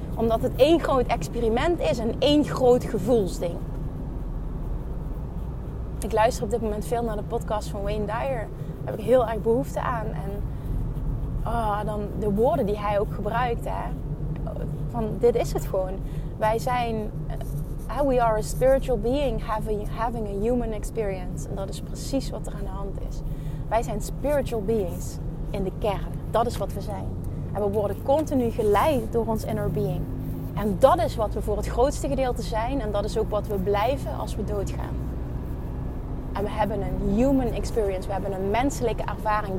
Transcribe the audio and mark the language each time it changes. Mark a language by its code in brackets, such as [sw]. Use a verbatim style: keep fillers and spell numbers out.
[nl] Omdat het één groot experiment is en één groot gevoelsding. Ik luister op dit moment veel naar de podcast van Wayne Dyer. Daar heb ik heel erg behoefte aan. En oh, dan de woorden die hij ook gebruikt. Hè? Van dit is het gewoon. Wij zijn... [en] We are a spiritual being having, having a human experience. [nl] En dat is precies wat er aan de hand is. Wij zijn [en] spiritual beings [nl] in de kern. Dat is wat we zijn. En we worden continu geleid door ons [en] inner being. [nl] En dat is wat we voor het grootste gedeelte zijn. En dat is ook wat we blijven als we doodgaan. En we hebben een [en] human experience. [nl] We hebben een menselijke ervaring.